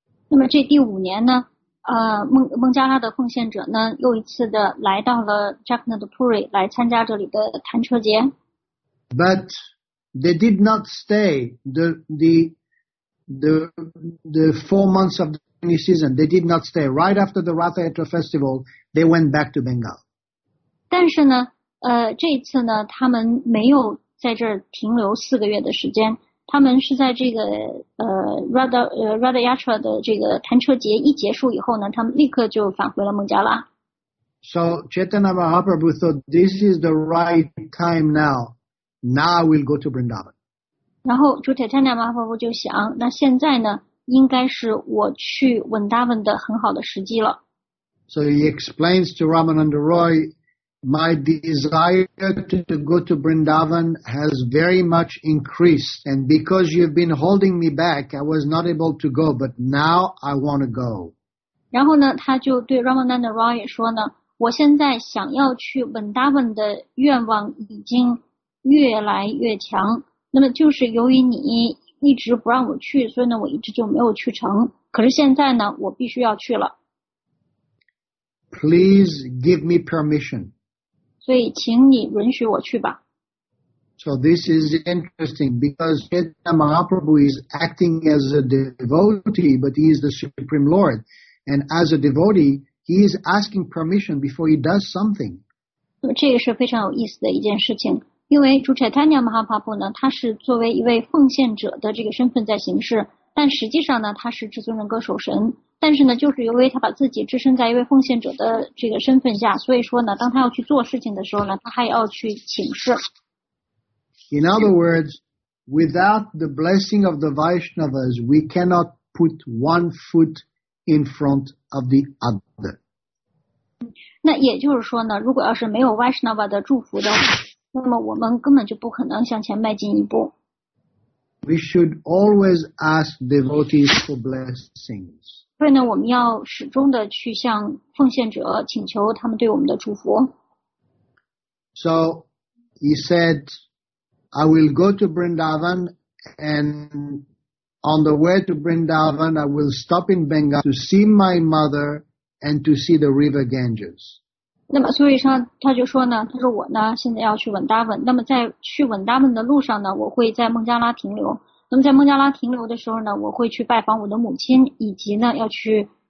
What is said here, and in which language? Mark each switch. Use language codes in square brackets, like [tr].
[zh] 那么这第五年呢，孟加拉的奉献者呢，又一次的来到了 Jagannath Puri 来参加这里的弹车节。 [en] But they did not stay the 4 months of the rainy season. They did not stay. Right after the Ratha Yatra festival, they went back to Bengal. [zh] 但是呢，这一次呢，他们没有。在这儿停留四个月的时间，他们是在这个Radha Yatra 的这个弹车节一结束以后呢，他们立刻就返回了孟加拉。 [en] So Chaitanya Mahaprabhu thought this is the right time now. Now we'll go to Vrindavan. [zh] 然后主 Chaitanya Mahaprabhu 就想，那现在呢，应该是我去 Vrindavan 的很好的时机了。 [en] So he explains to Ramananda Roy. My desire to go to Vrindavan has very much increased, and because you've been holding me back, I was not able to go, but now I want to go. [zh] 然后呢，他就对 Ramananda Roy 说呢，我现在想要去 Vrindavan 的愿望已经越来越强，那么就是由于你一直不让我去，所以呢，我一直就没有去成，可是现在呢，我必须要去了。 [en] Please give me permission. [zh] 所以请你允许我去吧。 [en] So this is interesting because Chaitanya Mahaprabhu is acting as a devotee, but he is the Supreme Lord. And as a devotee, he is asking permission before he does something. [zh] 这也是非常有意思的一件事情。因为主 Chaitanya Mahaprabhu 呢，他是作为一位奉献者的这个身份在行事，但实际上呢，他是至尊人格守神。但是呢，就是由于他把自己置身在一位奉献者的这个身份下，所以说呢，当他要去做事情的时候呢，他还要去请示。 [en] In other words, without the blessing of the Vaishnavas, we cannot put one foot in front of the other. [zh] 那也就是说呢，如果要是没有 Vaishnava 的祝福的话，那么我们根本就不可能向前迈进一步。 [en] We should always ask devotees for blessings. [zh] 所以呢，我们要始终的去向奉献者请求他们对我们的祝福。 [en] So he said, I will go to Vrindavan, and on the way to Vrindavan, I will stop in Bengal to see my mother and to see the river Ganges. [zh] 那么所以说他就说呢，他说我呢现在要去 Vrindavan, 那么在去 Vrindavan 的路上呢，我会在孟加拉停留。那么在孟加拉停留的时候呢，我会去拜访我的母亲，以及呢要去